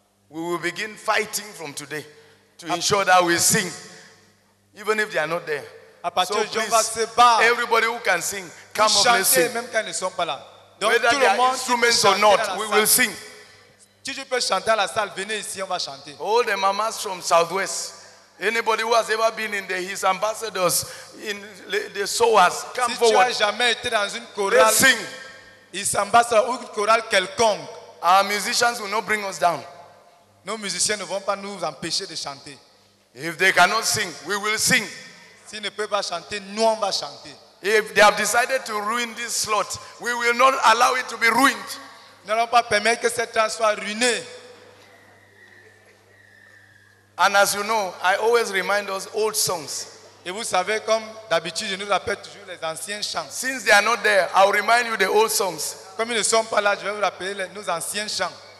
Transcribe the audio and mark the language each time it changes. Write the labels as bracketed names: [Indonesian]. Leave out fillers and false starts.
[English] We will begin fighting from today to ensure that we sing, even if they are not there. [French] À partir de jour, [English] please, everybody who can sing, come up and sing. [French] Même quand ils ne sont pas là. [English] Donc, whether they are instruments or not, we will sing. [French] Si tu peux chanter à la salle, venez ici, on va chanter. [English] All the mamas from Southwest, anybody who has ever been in the his ambassadors, in the SOAS, come [French] si [English] forward. [French] Si tu as jamais été dans une chorale, [English] let's sing. [French] His ambassador, une chorale quelconque. [English] Our musicians will not bring us down. [French] Nos musiciens ne vont pas nous empêcher de chanter. [English] If they cannot sing, we will sing. [French] S'ils ne peuvent pas chanter, nous on va chanter. [English] If they have decided to ruin this slot, we will not allow it to be ruined. [French] Nous n'allons pas permettre que cette chance soit ruinée. [English] And as you know, I always remind us old songs. [French] Et vous savez, comme d'habitude, je nous rappelle toujours les anciens chants. [English] Since they are not there, I'll remind you the old songs. [French] Comme ils ne sont pas là, je vais vous rappeler nos anciens chants.